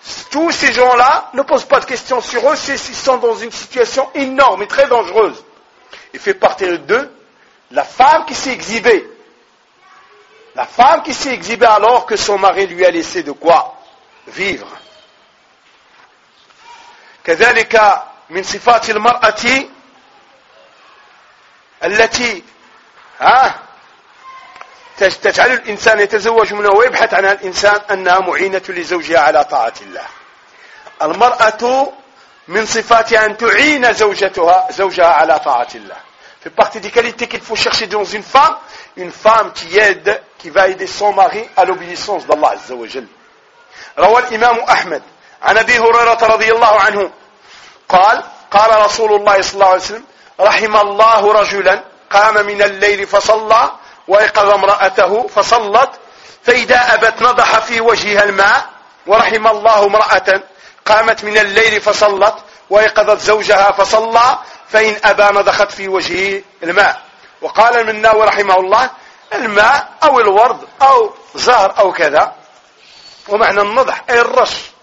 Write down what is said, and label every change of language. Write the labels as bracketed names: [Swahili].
[French] Tous ces gens-là ne posent pas de questions sur eux, ils sont dans une situation énorme et très dangereuse. Il fait partie d'eux la femme qui s'est exhibée. La femme qui s'est exhibée alors que son mari lui a laissé de quoi vivre. [Arabic] Kadhalika min sifatil mar'ati التي ها تجعل الإنسان يتزوج منها ويبحث عنها الإنسان أنها معينة لزوجها على طاعة الله. المرأة من صفاتها أن تعين زوجتها زوجها على طاعة الله. [French] في partie des qualités qu'il faut chercher dans une femme qui aide, qui va aider son mari à l'obéissance d'Allah عز وجل. [Arabic] روى الإمام أحمد عن أبي هريرة رضي الله عنه قال قال رسول الله صلى الله عليه وسلم رحم الله رجلا قام من الليل فصلى وإيقظ امرأته فصلت فإذا أبت نضح في وجهها الماء ورحم الله امرأة قامت من الليل فصلت وإيقظت زوجها فصلى فإن أبى نضحت في وجهه الماء وقال المناوي رحمه الله الماء أو الورد أو زهر أو كذا ومعنى النضح أي الرش